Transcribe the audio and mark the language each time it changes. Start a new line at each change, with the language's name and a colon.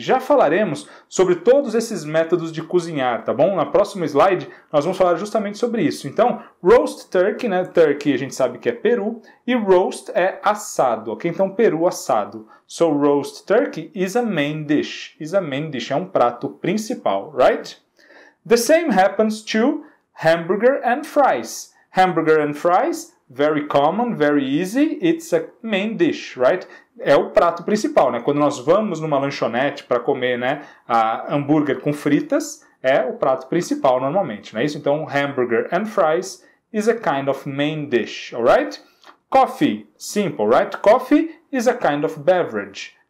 Portuguese: Já falaremos sobre todos esses métodos de cozinhar, tá bom? Na próxima slide, nós vamos falar justamente sobre isso. Então, roast turkey, né? Turkey a gente sabe que é peru, e roast é assado, ok? Então, peru assado.
English: So, roast turkey is a main dish. Is a main dish,
Portuguese: é um prato principal,
English: right? The same happens to hamburger and fries. Hamburger and fries, very common, very easy, it's a main dish, right?
Portuguese: É o prato principal, né? Quando nós vamos numa lanchonete para comer, né, a hambúrguer com fritas, é o prato principal normalmente, não é isso?
English: Então, hamburger and fries is a kind of main dish, alright? Coffee, simple, right? Coffee is a kind of beverage.